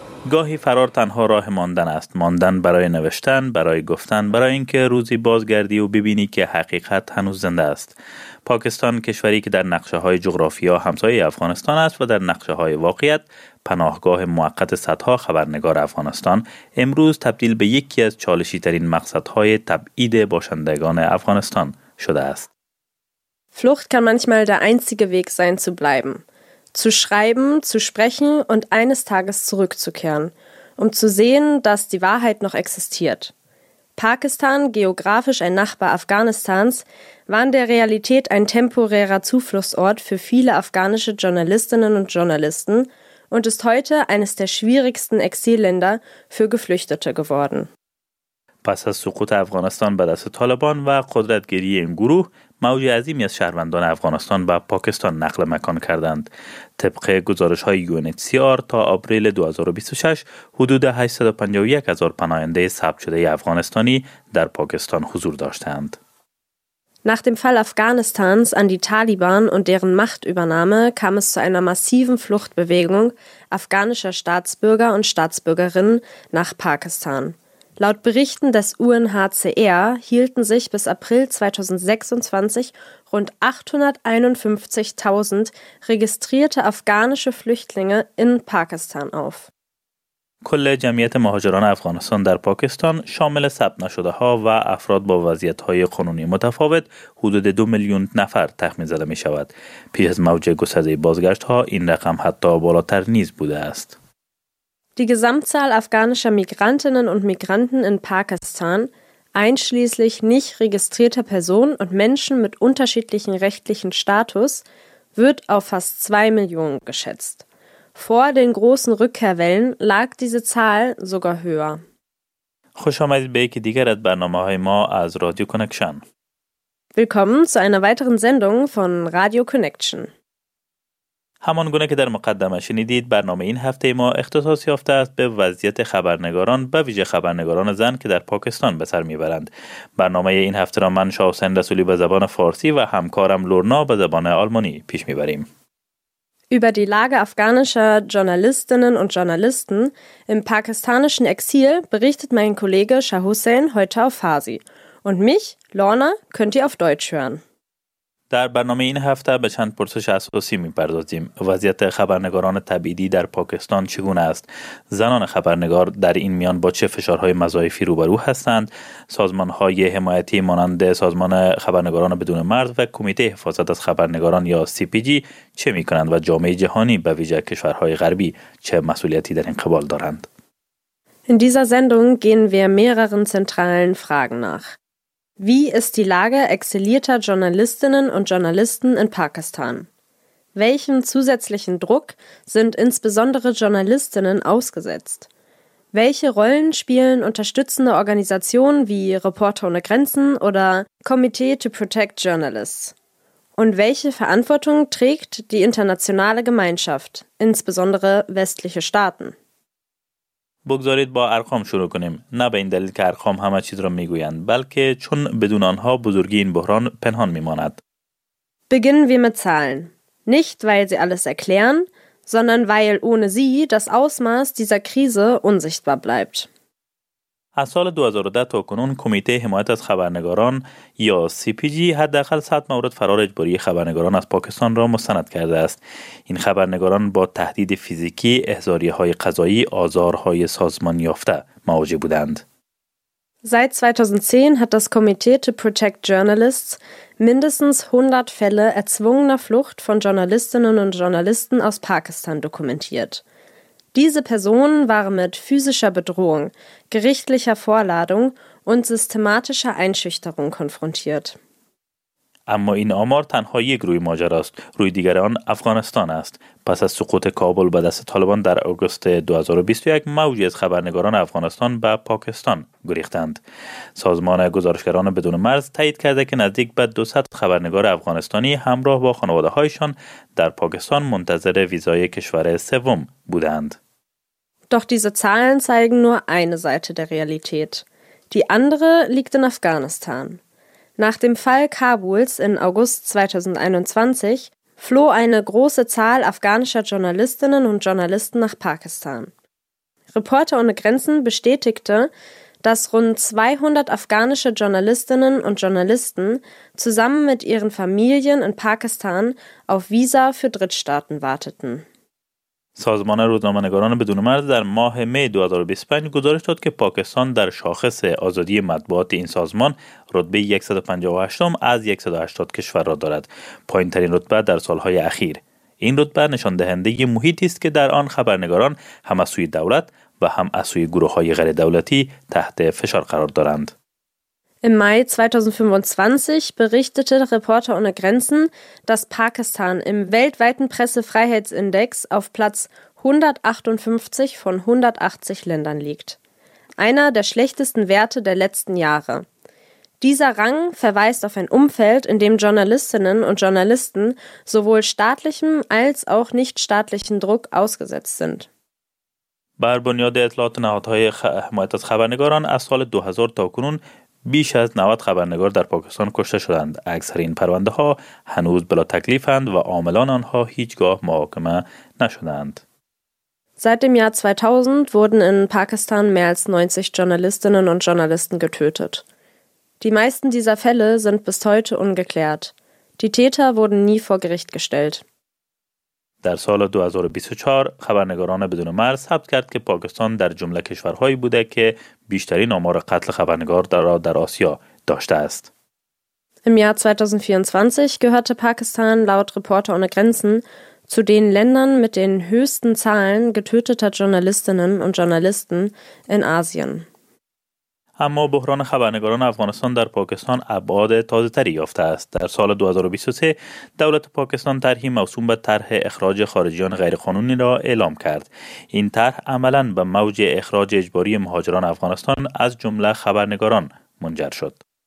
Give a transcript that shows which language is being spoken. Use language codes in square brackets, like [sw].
[fa] گاهی فرار تنها راه ماندن است. ماندن برای نوشتن، برای گفتن، برای اینکه روزی بازگردی و ببینی که حقیقت هنوز زنده است. پاکستان کشوری که در نقشه های جغرافیا همسایه افغانستان است و در نقشه های واقعیت پناهگاه موقت صدها خبرنگار افغانستان، امروز تبدیل به یکی از چالشی ترین مقصدهای تبعید باشندگان افغانستان شده است. [de] Flucht kann manchmal der einzige Weg sein zu bleiben. Zu schreiben, zu sprechen und eines Tages zurückzukehren, um zu sehen, dass die Wahrheit noch existiert. Pakistan, geografisch ein Nachbar Afghanistans, war in der Realität ein temporärer Zufluchtsort für viele afghanische Journalistinnen und Journalisten und ist heute eines der schwierigsten Exilländer für Geflüchtete geworden. [fa] پس از سقوط افغانستان به دست طالبان و قدرتگیری این گروه، موج عظیمی از شهروندان افغانستان به پاکستان نقل مکان کردند. طبق گزارش های UNHCR تا آوریل 2026 حدود 851,000 پناهنده ثبت شده افغانستانی در پاکستان حضور داشتند. [de] Nach dem Fall Afghanistans an die Taliban und deren Machtübernahme kam es zu einer massiven Fluchtbewegung afghanischer Staatsbürger und Staatsbürgerinnen nach Pakistan. Laut Berichten des UNHCR hielten sich bis April 2026 rund 851,000 registrierte afghanische Flüchtlinge in Pakistan auf. [fa] کل جمعیت مهاجران افغانستان در پاکستان شامل ثبت نشده ها و افراد با وضعیت های قانونی متفاوت حدود 2,000,000 نفر تخمین زده می شود. پیش از موج گسترده بازگشت ها این رقم حتی بالاتر نیز بوده است. [de] Die Gesamtzahl afghanischer Migrantinnen und Migranten in Pakistan, einschließlich nicht registrierter Personen und Menschen mit unterschiedlichen rechtlichen Status, wird auf fast 2,000,000 geschätzt. Vor den großen Rückkehrwellen lag diese Zahl sogar höher. [fa] خوش آمدید به یکی دیگر از برنامه‌های ما از رادیو کانکشن. [de] Willkommen zu einer weiteren Sendung von Radio Connection. [fa] همان گونه که در مقدمه شنیدید، برنامه این هفته ما اختصاص یافته است به وضعیت خبرنگاران، به ویژه خبرنگاران زن که در پاکستان به سر می‌برند. برنامه این هفته را من شاه حسین رسولی به زبان فارسی و همکارم لورنا به زبان آلمانی پیش می‌بریم. [de] Über die Lage afghanischer Journalistinnen und Journalisten im pakistanischen Exil berichtet mein Kollege Shah Hussein heute auf Farsi. Und mich, Lorna, könnt ihr auf Deutsch hören. [fa] در برنامه این هفته به چند پرسش اساسی می‌پردازیم. وضعیت خبرنگاران تبعیدی در پاکستان چگونه است؟ زنان خبرنگار در این میان با چه فشارهای مزایفی روبرو هستند؟ سازمان‌های حمایتی مانند سازمان خبرنگاران بدون مرز و کمیته حفاظت از خبرنگاران یا CPG چه می‌کنند و جامعه جهانی به ویژه کشورهای غربی چه مسئولیتی در این قبال دارند؟ [de] In dieser Sendung gehen wir mehreren zentralen Fragen nach. Wie ist die Lage exilierter Journalistinnen und Journalisten in Pakistan? Welchen zusätzlichen Druck sind insbesondere Journalistinnen ausgesetzt? Welche Rollen spielen unterstützende Organisationen wie Reporter ohne Grenzen oder Committee to Protect Journalists? Und welche Verantwortung trägt die internationale Gemeinschaft, insbesondere westliche Staaten? [fa] بگذارید با ارقام شروع کنیم، نه به این دلیل که ارقام همه چیز را میگویند، بلکه چون بدون آنها بزرگی این بحران پنهان میماند. [de] Beginnen wir mit Zahlen. Nicht weil sie alles erklären, sondern weil ohne sie das Ausmaß dieser Krise unsichtbar bleibt. [fa] از سال 2010 تا کنون کمیته حمایت از خبرنگاران یا CPG حداقل 100 مورد فرار اجباری خبرنگاران از پاکستان را مستند کرده است. این خبرنگاران با تهدید فیزیکی، احضاریه‌های قضایی، آزارهای سازمان یافته مواجه بودند. [de] Seit 2010 hat das Komitee to Protect Journalists mindestens 100 Fälle erzwungener Flucht von Journalistinnen und Journalisten aus Pakistan dokumentiert. Diese Personen waren mit physischer Bedrohung, gerichtlicher Vorladung und systematischer Einschüchterung konfrontiert. [fa] اما این آمار تنها یک گروه ماجرا است. روی دیگران افغانستان است. پس از سقوط کابل به دست طالبان در آگوست 2021 موجی از خبرنگاران افغانستان به پاکستان گریختند. سازمان گزارشگران بدون مرز تایید کرده که نزدیک به 200 خبرنگار افغانستانی همراه با خانواده هایشان در پاکستان منتظر ویزای کشور سوم بودند. [de] Doch diese Zahlen zeigen nur eine Seite der Realität. Die andere liegt in Afghanistan. Nach dem Fall Kabuls in August 2021 floh eine große Zahl afghanischer Journalistinnen und Journalisten nach Pakistan. Reporter ohne Grenzen bestätigte, dass rund 200 afghanische Journalistinnen und Journalisten zusammen mit ihren Familien in Pakistan auf Visa für Drittstaaten warteten. [fa] سازمان روزنامه‌نگاران بدون مرز در ماه می 2025 گزارش داد که پاکستان در شاخص آزادی مطبوعات این سازمان رتبه 158 از 180 کشور را دارد، پایین‌ترین رتبه در سال‌های اخیر. این رتبه نشان دهنده محیطی است که در آن خبرنگاران هم از سوی دولت و هم از سوی گروه‌های غیر دولتی تحت فشار قرار دارند. [de] Im Mai 2025 berichtete Reporter ohne Grenzen, dass Pakistan im weltweiten Pressefreiheitsindex auf Platz 158 von 180 Ländern liegt. Einer der schlechtesten Werte der letzten Jahre. Dieser Rang verweist auf ein Umfeld, in dem Journalistinnen und Journalisten sowohl staatlichem als auch nichtstaatlichen Druck ausgesetzt sind. [fa] بر بنیاد اطلاعات نهادهای حمایت از خبرنگاران از سال 2000 تا کنون بیش از 90 خبرنگار در پاکستان کشته شدند. اکثر این پرونده ها هنوز بلا تکلیفند و عاملان آنها هیچگاه محاکمه نشدند. [de] Seit dem Jahr 2000 wurden in Pakistan mehr als 90 Journalistinnen und Journalisten getötet. Die meisten dieser Fälle sind bis heute ungeklärt. Die Täter wurden nie vor Gericht gestellt. [fa] در سال 2024 خبرنگاران بدون مرز ثبت کرد که پاکستان در جمله کشورهایی بوده که بیشترین آمار قتل خبرنگار در آسیا داشته است. [de] Im Jahr 2024 gehörte Pakistan laut Reporter ohne Grenzen zu den Ländern mit den höchsten Zahlen getöteter Journalistinnen und Journalisten in Asien. [fa] اما بحران خبرنگاران افغانستان در پاکستان ابعاد تازه‌تری یافته است. در سال 2023 دولت پاکستان طرحی موسوم به طرح اخراج خارجیان غیرقانونی را اعلام کرد. این طرح عملاً به موج اخراج اجباری مهاجران افغانستان از جمله خبرنگاران منجر شد.